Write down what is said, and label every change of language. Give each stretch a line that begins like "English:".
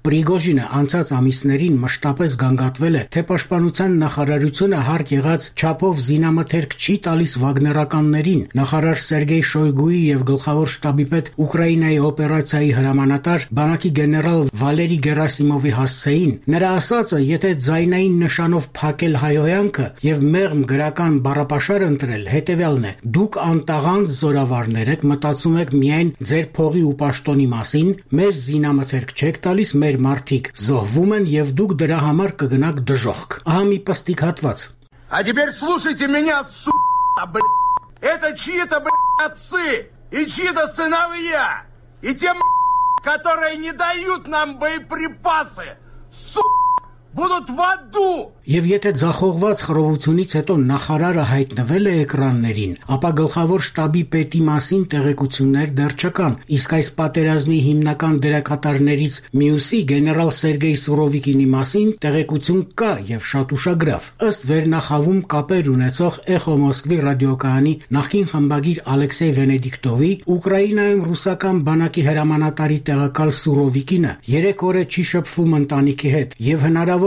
Armenian: Պրիգոժինը անցած ամիսներին մշտապես գանգատվել է, թե պաշտպանության նախարարությունը հարկ եղած չափով զինամթերք չի տալիս վագներականներին։ Նախարար Սերգեյ Շոյգուի եւ գլխավոր շտաբի պետ Ուկրաինայի օպերացիայի հրամանատար բանակի գեներալ Վալերի Գերասիմովի հասցեին, նրա ասածը, եթե ձայնային նշանով փակել հայհոյանքը եւ մեղմ գրական բառապաշար ընտրել, հետեւյալն է. Դուք անտաղան զորավարներ եք, մտածում եք միայն ձեր փողի ու պաշտոնի մասին, մեզ զինամթերք չեք տալիս, մեր մարդիկ զոհվում են եւ դուք դրա համար կգնաք դժոխք։ Ահա մի պստիկ հատված։
Russian: А теперь слушайте меня, сука, блядь. Это чьи-то, блядь, отцы и чьи-то сыновья. И те, которые не дают нам боеприпасы. Будут в аду.
Armenian: Եվ եթե ձախողված խռովությունից հետո նախարարը հայտնվել է էկրաններին, ապա գլխավոր շտաբի պետի մասին տեղեկություններ դեռ չկան։ Իսկ այս պատերազմի հիմնական դերակատարներից մյուսի գեներալ Սերգեյ Սուրովիկինի մասին տեղեկություն կա եւ շատ ուշագրավ։ Ըստ վերնախավում կապեր ունեցող Էխո Մոսկվի ռադիոկայանի նախին խմբագիր Ալեքսեյ Վենեդիկտովի, Ուկրաինայում ռուսական բանակի հրամանատարի տեղակալ Սուրովիկինը 3 օր է չի շփվում ընտանիքի հետ եւ հնարավոր